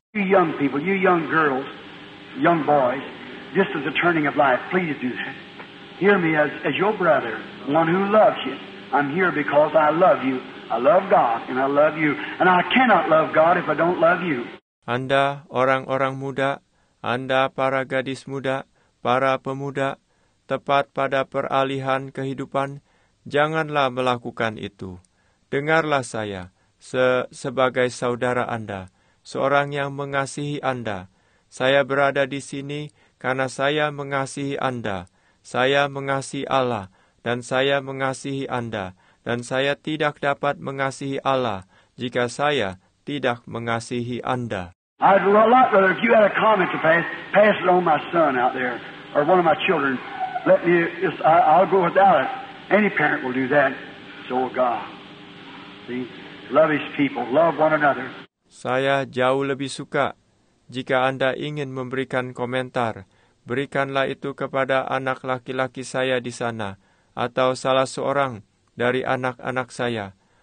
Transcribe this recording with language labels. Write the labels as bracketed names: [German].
[English] You young people, you young girls, young boys, this is the turning of life. Please do that. Hear me as your brother, one who loves you. I'm here because I love you. I love God and I love you. And I cannot love God if I don't love you. [Indonesian] Anda, orang-orang muda, Anda, para gadis muda, para pemuda, tepat pada peralihan kehidupan, janganlah melakukan itu. Dengarlah saya, sebagai saudara Anda, seorang yang mengasihi Anda. Saya berada di sini karena saya mengasihi Anda. Saya mengasihi Allah, dan saya mengasihi Anda. Dan saya tidak dapat mengasihi Allah jika saya tidak mengasihi Anda. [English] I'd love, brother, if you had a comment to pass it on my son out there, or one of my children, let me, I'll go without it. Any parent will do that, so will God. See, love his people, love one another. [Indonesian] Saya jauh lebih suka, jika Anda ingin memberikan komentar, berikanlah itu kepada anak laki-laki saya di sana, atau salah seorang dari anak-anak saya.